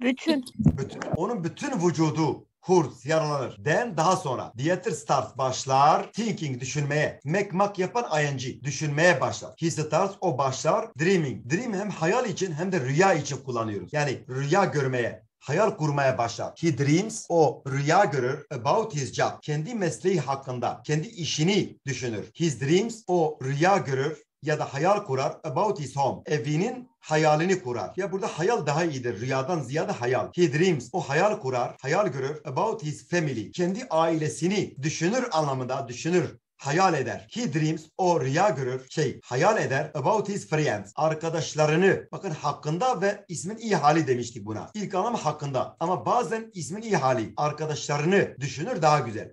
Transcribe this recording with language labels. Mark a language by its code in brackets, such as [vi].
[tr] Bütün. Bütün. Onun bütün vücudu [en] hurts, [tr] yaralanır. [en] Then, [tr] daha sonra, [en] Dieter starts, [tr] başlar, [en] thinking, [tr] düşünmeye. Make, make yapan ing, düşünmeye başlar. [en] He starts, [tr] o başlar, [en] dreaming. [tr] Dream hem hayal için hem de rüya için kullanıyoruz. Yani rüya görmeye. Hayal kurmaya başlar. [en] He dreams, [tr] o rüya görür [en] about his job. [tr] Kendi mesleği hakkında, kendi işini düşünür. [en] His dreams, [tr] o rüya görür ya da hayal kurar [en] about his home. [tr] Evinin hayalini kurar. Ya burada hayal daha iyidir. Rüyadan ziyade hayal. [en] He dreams, [tr] o hayal kurar, hayal görür [en] about his family. [tr] Kendi ailesini düşünür anlamında, düşünür. Hayal eder. [en] He dreams, [tr] o rüya görür, şey, hayal eder [en] about his friends, [tr] arkadaşlarını. Bakın hakkında ve ismin iyi hali demiştik buna. İlk anlamı hakkında ama bazen ismin iyi hali, arkadaşlarını düşünür daha güzel.